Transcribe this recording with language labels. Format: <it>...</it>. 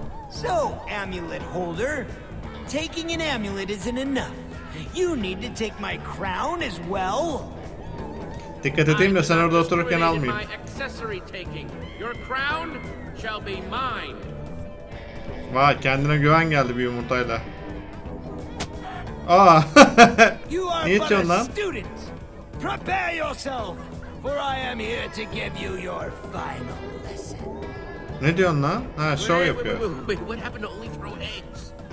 <en>So, amulet holder, taking an amulet isn't enough. You need to take my crown as well.</en> <tr>Dikkat edeyim de sen orada otururken almayayım.</tr> <en>My accessory taking. Your crown shall be mine.</en> <tr>Vay, kendine güven geldi bir yumurtayla. Aa. Niye çıkıyorsun lan?</tr> <en>Prepare yourself, for I am here to give you your final lesson.</en> <tr>Ne diyorsun lan? Ha, show yapıyor.</tr> <en>Wait, what happened to only throw eggs?</en>